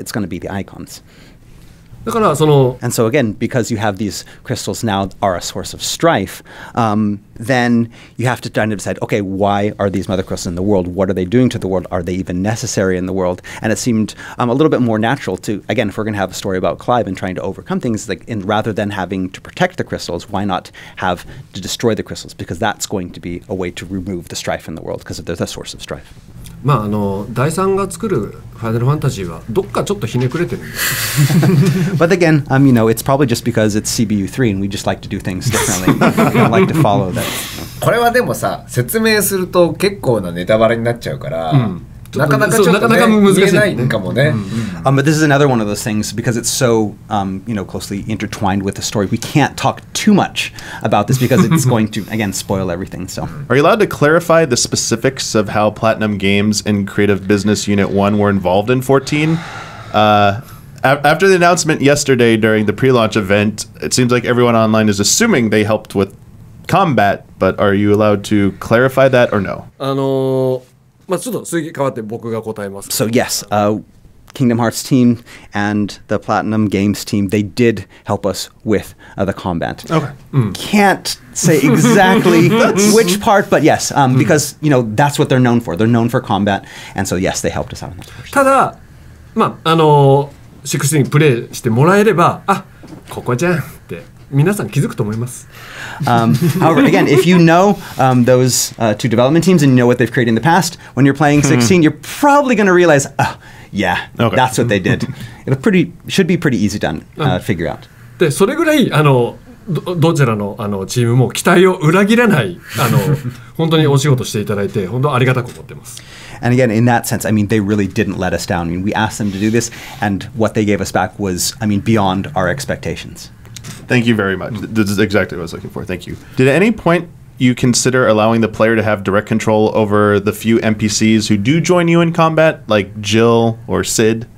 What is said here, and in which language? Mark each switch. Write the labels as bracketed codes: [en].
[en] It's going to be the icons. And so again, because you have these crystals now are a source of strife, then you have to kind of decide, okay, why are these mother crystals in the world? What are they doing to the world? Are they even necessary in the world? And it seemed a little bit more natural to, again, if we're going to have a story about Clive and trying to overcome things, like, and rather than having to protect the crystals, why not have to destroy the crystals? Because that's going to be a way to remove the strife in the world, because they're the source of strife. [ja] まああの第三が作るファイナルファンタジーはどっかちょっとひねくれてる。 [en] But again, you know, it's probably just because it's CBU3 and we just like to do things differently. We don't like to follow that. [ja] これはでもさ、説明すると結構なネタバレになっちゃうから。 [en] But this is another one of those things because it's so you know, closely intertwined with the story. We can't talk too much about this because it's going to, again, spoil everything. So, are you allowed to clarify the specifics of how Platinum Games and Creative Business Unit 1 were involved in 14? After the announcement yesterday during the pre-launch event, it seems like everyone online is assuming they helped with combat, but are you allowed to clarify that or no? So yes, Kingdom Hearts team and the Platinum Games team, they did help us with the combat. Okay. Can't say exactly which part, but yes, because you know that's what they're known for. They're known for combat, and so yes, they helped us out. [ja] ただ、まあ、あの、16にプレイしてもらえれば、あ、ここじゃんって。 [en] However, again, if you know those two development teams and you know what they've created in the past, when you're playing 16, you're probably going to realize, yeah, okay. That's what they did. It'll pretty should be pretty easy to figure out. [ja] で、それぐらい、あの、どちらの、あの、チームも期待を裏切らない、あの、本当にお仕事していただいて、本当ありがたく思ってます。 [en] And again, in that sense, I mean, they really didn't let us down. I mean, we asked them to do this, and what they gave us back was, I mean, beyond our expectations. Thank you very much. This is exactly what I was looking for. Thank you. Did at any point you consider allowing the player to have direct control over the few NPCs who do join you in combat, like Jill or Sid?